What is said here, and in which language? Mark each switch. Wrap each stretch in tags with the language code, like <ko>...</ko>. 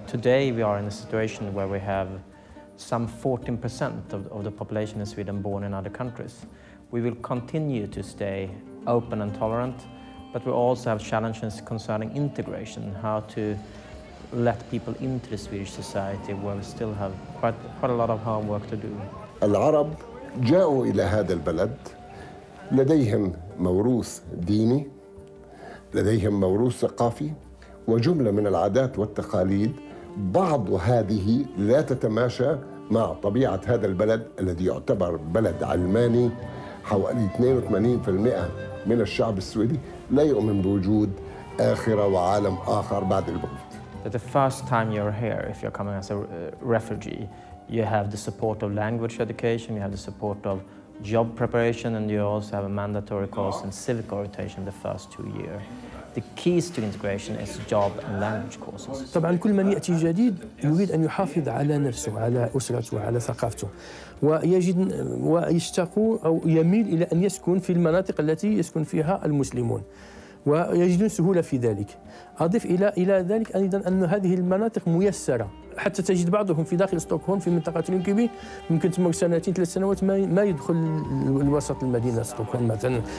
<en>Today we are in a situation where we have some 14% of the population in Sweden born in other countries. We will continue to stay open and tolerant, but we also have challenges concerning integration, how to let people into the Swedish society, where we still have quite a lot of hard work to do.</en> <ar>العرب جاءوا إلى هذا البلد، لديهم موروث ديني، لديهم موروث ثقافي وجملة من العادات والتقاليد، بعض هذه لا تتماشى مع طبيعة هذا البلد الذي يعتبر بلد علماني. حوالي 82% من الشعب السويدي لا يؤمن بوجود آخرة وعالم آخر بعد الموت.</ar> <en>The first time you're here, if you're coming as a refugee, you have the support of language education, you have the support of job preparation, and you also have a mandatory course in civic orientation the first 2 years. The keys to integration is job and language courses.</en> <ar>طبعا كل من يأتي جديد يريد أن يحافظ على نفسه، على أسرته، على ثقافته، ويجد ويشتاق أو يميل إلى أن يسكن في المناطق التي يسكن فيها المسلمون، ويجدون سهولة في ذلك. أضف إلى ذلك أيضا أن هذه المناطق ميسرة، حتى تجد بعضهم في داخل ستوكهولم في منطقة رينكيبي ممكن تمر سنتين ثلاث سنوات ما يدخل الوسط المدينة ستوكهولم مثلا.</ar>